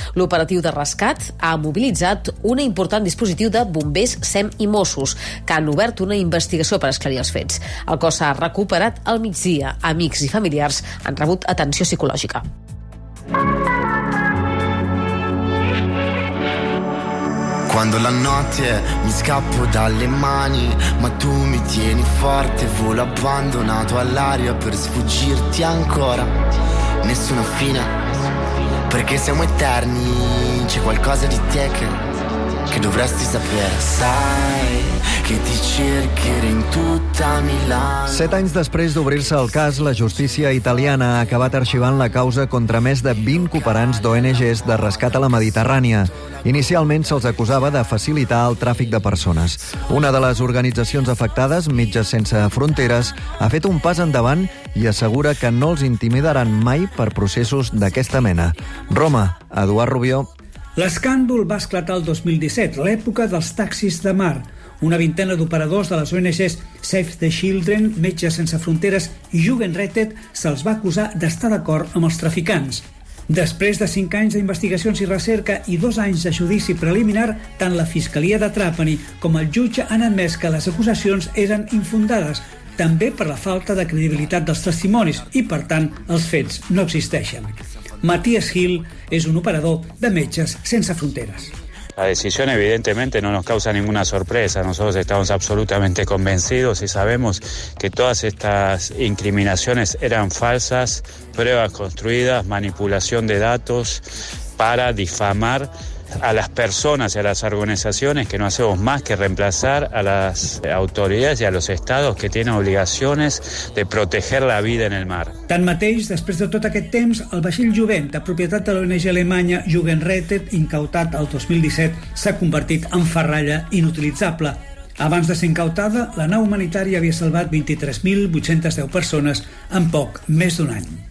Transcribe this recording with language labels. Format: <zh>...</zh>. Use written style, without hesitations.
<ca>L'operatiu de rescat ha mobilitzat un important dispositiu de bombers, SEM i Mossos, que han obert una investigació per esclarir els fets. El cos s'ha recuperat al migdia. Amics i familiars han rebut atenció psicològica.</ca> <it>Quando la notte mi scappo dalle mani, ma tu mi tieni forte, volo abbandonato all'aria per sfuggirti ancora. Nessuna fine, perché siamo eterni, c'è qualcosa di te che dovresti sapere. Sai che ti cercherò in tutta Milano.</it> <ca>7 anys després d'obrir-se el cas, la justícia italiana ha acabat arxivant la causa contra més de 20 cooperants d'ONGs de rescat a la Mediterrània. Inicialment se'ls acusava de facilitar el tràfic de persones. Una de les organitzacions afectades, Mitges Sense Fronteres, ha fet un pas endavant i assegura que no els intimidaran mai per processos d'aquesta mena. Roma, Eduard Rubió. L'escàndol va esclatar el 2017, l'època dels taxis de mar, Una vintena d'operadors de les ONGs Save the Children, Metges Sense Fronteres i Jugendrettet se'ls va acusar d'estar d'acord amb els traficants. Després de 5 anys d'investigacions i recerca i 2 anys de judici preliminar, tant la Fiscalia de Trapani com el jutge han admès que les acusacions eren infundades, també per la falta de credibilitat dels testimonis i, per tant, els fets no existeixen. Matías Gil és un operador de Metges Sense Fronteres.</ca> <es>La decisión evidentemente no nos causa ninguna sorpresa. Nosotros estamos absolutamente convencidos y sabemos que todas estas incriminaciones eran falsas, pruebas construidas, manipulación de datos para difamar a las personas y a las organizaciones que no hacemos más que reemplazar a las autoridades y a los estados que tienen obligaciones de proteger la vida en el mar.</es> <ca>Tanmateix, després de tot aquest temps, el vaixell Jovent, de propietat de l'ONG alemanya Jugendrettet, incautat el 2017, s'ha convertit en ferralla inutilitzable. Abans de ser incautada, la nau humanitària havia salvat 23.810 persones en poc més d'un any.</ca>